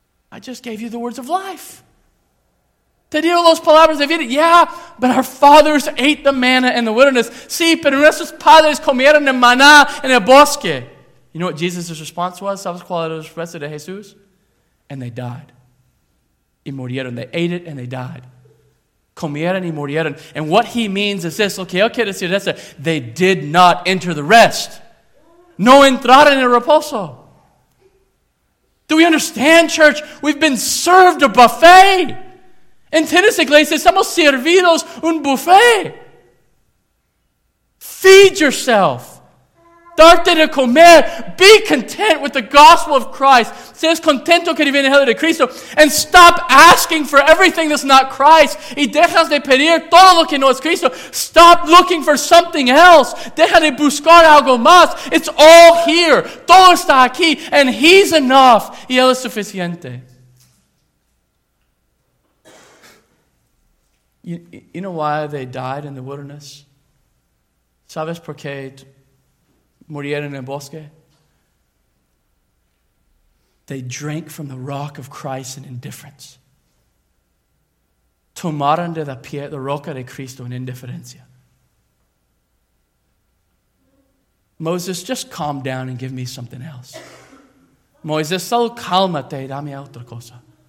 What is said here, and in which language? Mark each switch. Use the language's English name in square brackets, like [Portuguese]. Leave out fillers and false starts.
[English] I just gave you the words of life. [Spanish] Te dio las palabras de vida. [English] Yeah, but our fathers ate the manna in the wilderness. [Spanish] Sí, pero nuestros padres comieron el maná en el bosque. [English] You know what Jesus' response was? [Spanish] ¿Sabes cuál era la respuesta de Jesús? [English] And they died. [Spanish] Y murieron. [English] They ate it and they died. [Spanish] Comieron y murieron. [English] And what he means is this. Okay, okay, let's see, they did not enter the rest. [Spanish] No entraron en reposo. [English] Do we understand, church? We've been served a buffet. [Spanish] En tenis iglesia estamos servidos un buffet. [English] Feed yourself. [Spanish] Darte de comer. [English] Be content with the gospel of Christ. [Spanish] Seas contento que el evangelio de Cristo. [English] And stop asking for everything that's not Christ. [Spanish] Y dejas de pedir todo lo que no es Cristo. [English] Stop looking for something else. [Spanish] Deja de buscar algo más. [English] It's all here. [Spanish] Todo está aquí. [English] And He's enough. [Spanish] Y Él es suficiente. [English] You know why they died in the wilderness? [Spanish] ¿Sabes por qué murieron en el bosque? [English] They drank from the rock of Christ in indifference. [Spanish] Tomaron de la piedra roca de Cristo en indiferencia. [English] Moses, just calm down and give me something else. [Spanish] Moisés, solo cálmate y dame otra cosa.